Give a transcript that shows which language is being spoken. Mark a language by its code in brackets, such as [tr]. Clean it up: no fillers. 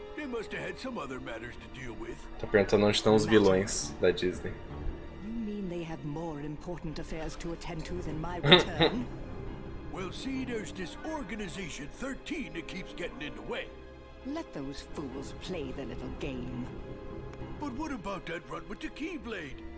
[en] They must have had some other matters to deal with. [pt] Tá perguntando onde estão os vilões da Disney. [en] You mean they have more important affairs to attend to than my return? Well, see, there's this organization 13 that keeps getting in the way. Let those fools play the little game. But what about that run with the Keyblade?